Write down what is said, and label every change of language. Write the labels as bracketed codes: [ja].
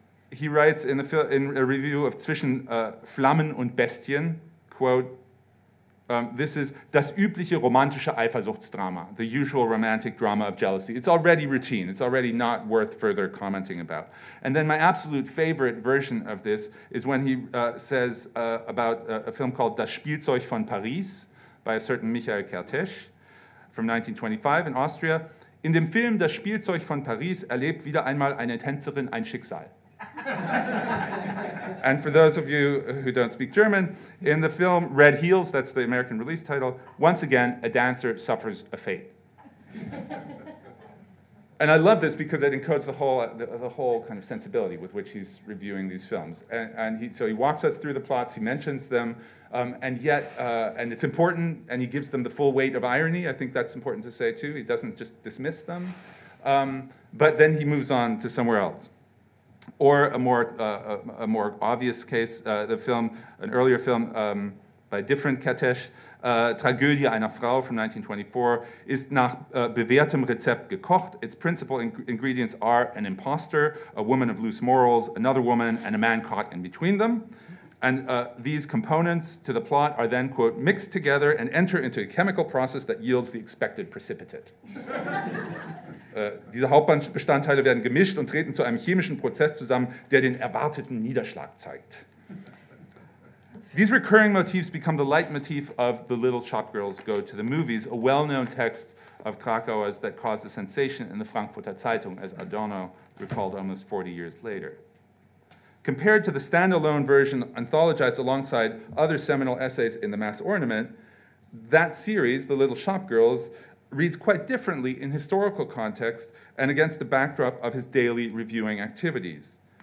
[en] He writes in a review of Zwischen Flammen und Bestien, quote, this is das übliche romantische Eifersuchtsdrama, the usual romantic drama of jealousy. It's already routine. It's already not worth further commenting about. And then my absolute favorite version of this is when he says about a film called Das Spielzeug von Paris by a certain Michael Kertész from 1925 in Austria. [de] In dem Film Das Spielzeug von Paris erlebt wieder einmal eine Tänzerin ein Schicksal. [en] And for those of you who don't speak German, in the film Red Heels, that's the American release title, once again, a dancer suffers a fate. And I love this because it encodes the whole kind of sensibility with which he's reviewing these films. And he walks us through the plots, he mentions them, and it's important, and he gives them the full weight of irony. I think that's important to say, too. He doesn't just dismiss them. But then he moves on to somewhere else. Or a more obvious case, an earlier film by a different Kertész, Tragödie einer Frau from 1924, ist nach bewährtem Rezept gekocht. Its principal ingredients are an imposter, a woman of loose morals, another woman, and a man caught in between them. And these components to the plot are then, quote, mixed together and enter into a chemical process that yields the expected precipitate. [de] Diese Hauptbestandteile werden gemischt und treten zu einem chemischen Prozess zusammen, der den erwarteten Niederschlag zeigt. [en] These recurring motifs become the leitmotif of The Little Shop Girls Go to the Movies, a well-known text of Krakauers that caused a sensation in the Frankfurter Zeitung, as Adorno recalled almost 40 years later. Compared to the standalone version anthologized alongside other seminal essays in The Mass Ornament, that series, The Little Shop Girls, reads quite differently in historical context and against the backdrop of his daily reviewing activities.